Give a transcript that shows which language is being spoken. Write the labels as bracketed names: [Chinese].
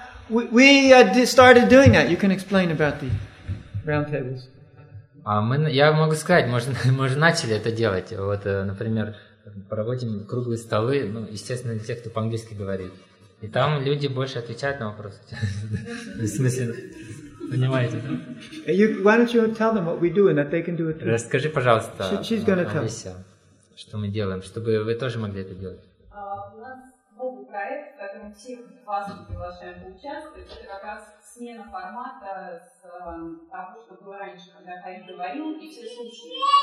[English] We started doing that. You can explain about the round tables. [Russian] Я могу сказать, мы уже начали это делать. Вот, например, проводим круглые столы, ну, естественно, для тех, кто по-английски говорит. И там люди больше отвечают на вопросы. В смысле, понимаете, да? [English] Why don't you tell them what we do and that they can do it too? [Russian] Расскажи, пожалуйста, Алисе, что мы делаем, чтобы вы тоже могли это делать. У нас новый проект, в котором всех вас приглашаем поучаствовать. Это как раз смена формата с того, что было раньше, когда Халиф говорил, и все слушали.